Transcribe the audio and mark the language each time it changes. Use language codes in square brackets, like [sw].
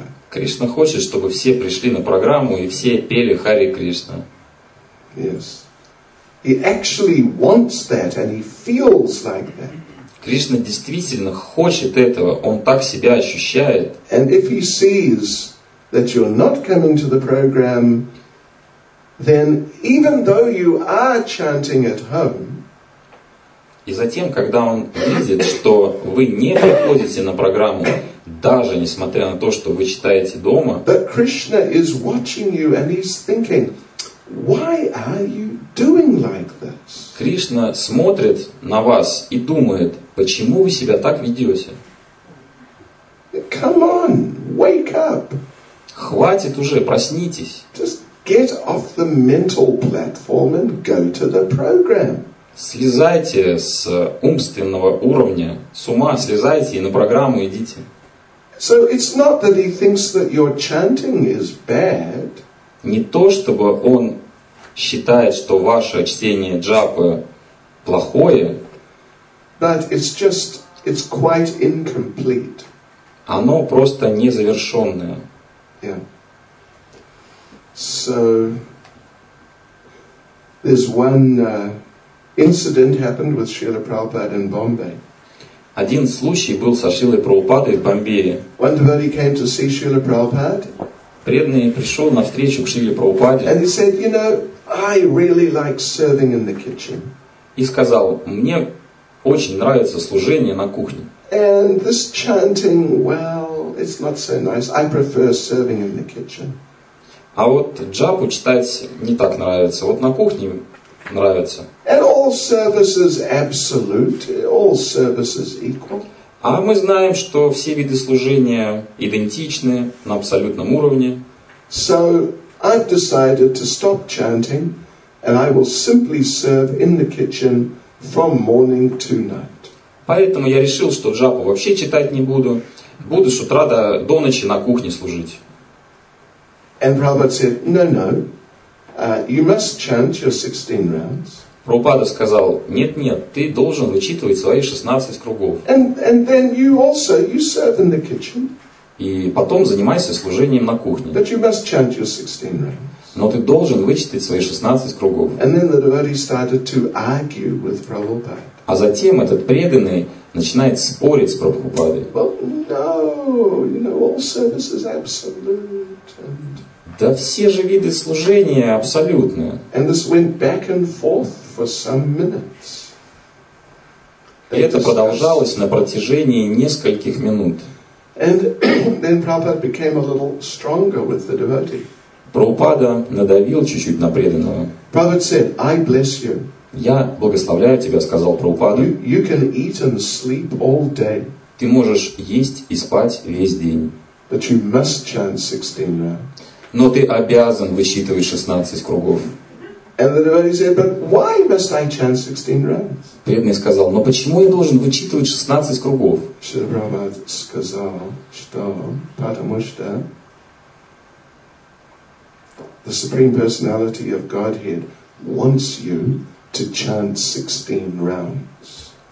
[ru] Кришна хочет, чтобы все пришли на программу и все пели Хари Кришна. [en] Yes. He actually wants that and he feels like that. [ru] Кришна действительно хочет этого, он так себя ощущает. [en] And if he sees that you're not coming to the program, then even though you are chanting at home, [ru] и затем, когда он видит, что вы не приходите на программу, даже несмотря на то, что вы читаете дома, [en] but Krishna is watching you and he's thinking, why are you doing like this? [ru] Кришна смотрит на вас и думает, почему вы себя так ведете? [en] Come on, wake up! [ru] Хватит уже, проснитесь! [en] Get off the mental platform and go to the program. [ru] Слезайте с умственного уровня, с ума слезайте и на программу идите. [en] So it's not that he thinks that your chanting is bad. [ru] Не то, чтобы он считает, что ваше чтение джапы плохое. [en] But it's quite incomplete. [ru] Оно просто незавершенное. [en] Yeah. So, there's one incident happened with Srila Prabhupada in Bombay. [ru] Один случай был со Шрилой Прабхупадой в Бомбее. [en] One devotee came to see Srila Prabhupada. [ru] Преданный пришел на встречу к Шриле Прабхупаде. [en] And he said, you know, I really like serving in the kitchen. [ru] И сказал, мне очень нравится служение на кухне. [en] And this chanting, well, it's not so nice. I prefer serving in the kitchen. [ru] А вот джапу читать не так нравится. Вот на кухне нравится. [en] And all services absolute, all services equal. [ru] А мы знаем, что все виды служения идентичны на абсолютном уровне. [en] So I've decided to stop chanting and I will simply serve in the kitchen from morning to night. [ru] Поэтому я решил, что джапу вообще читать не буду. Буду с утра до ночи на кухне служить. [en] And Prabhupada said, "No, no, you must chant your 16 rounds." [ru] Прабхупада сказал, "Нет, нет, ты должен вычитывать свои 16 кругов." [en] And then you also you serve in the kitchen. [ru] И потом занимайся служением на кухне. [en] But you must chant your 16 rounds. [ru] Но ты должен вычитать свои 16 кругов. [en] And then the devotee started to argue with Prabhupada. [ru] А затем этот преданный начинает спорить с Прабхупадой. [en] Well, no, you know, all service is absolute. [ru] Да все же виды служения абсолютные. [en] And this went back and forth for some minutes. [ru] И это продолжалось на протяжении нескольких минут. [en] And then Prabhupada became a little stronger with the devotee. [ru] Прабхупада надавил чуть-чуть на преданного. [en] Prabhupada said, "I bless you." [ru] Я благословляю тебя, сказал Прабхупада. [en] You can eat and sleep all day. [ru] Ты можешь есть и спать весь день. [en] But you must chant 16 rounds. [ru] Но ты обязан высчитывать 16 кругов. [en] And the devotee said, but why must I chant 16 rounds? [ru] Преданный сказал, но почему я должен вычитывать 16 кругов? Шри Прабхупад сказал, что потому что [en] the Supreme Personality of Godhead wants you to chant 16 rounds.